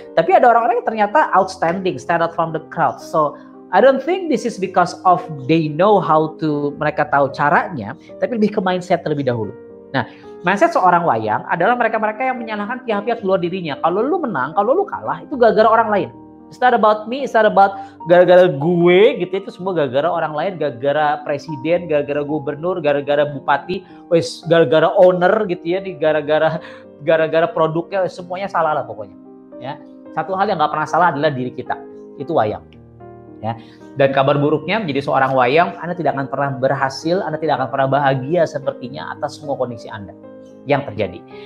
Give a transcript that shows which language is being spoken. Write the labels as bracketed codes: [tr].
[id] Tapi ada orang-orang yang ternyata [en] outstanding, stand out from the crowd. So I don't think this is because of they know how to, [id] mereka tahu caranya, tapi lebih ke mindset terlebih dahulu. Nah, mindset seorang wayang adalah mereka-mereka yang menyalahkan pihak-pihak luar dirinya. Kalau lu menang, kalau lu kalah, itu gara-gara orang lain. [en] It's not about me, it's not about [id] gara-gara gue, gitu. Itu semua gara-gara orang lain, gara-gara presiden, gara-gara gubernur, gara-gara bupati, wes, gara-gara owner, gitu ya, gara-gara produknya, wes, semuanya salah lah pokoknya. Ya. Satu hal yang gak pernah salah adalah diri kita, itu wayang. Ya. Dan kabar buruknya menjadi seorang wayang, Anda tidak akan pernah berhasil, Anda tidak akan pernah bahagia sepertinya atas semua kondisi Anda yang terjadi.